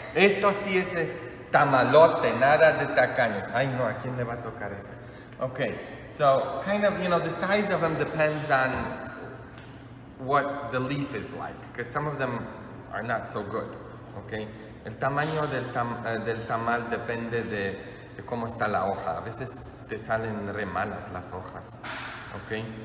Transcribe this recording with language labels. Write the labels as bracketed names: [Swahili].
[Spanish] Esto sí es el tamalote, nada de tacaños. Ay, no, ¿a quién le va a tocar ese? [English] Okay, so kind of, you know, the size of them depends on what the leaf is like, because some of them are not so good, okay? [Spanish] El tamaño del tamal depende de cómo está la hoja. A veces te salen re malas las hojas, okay?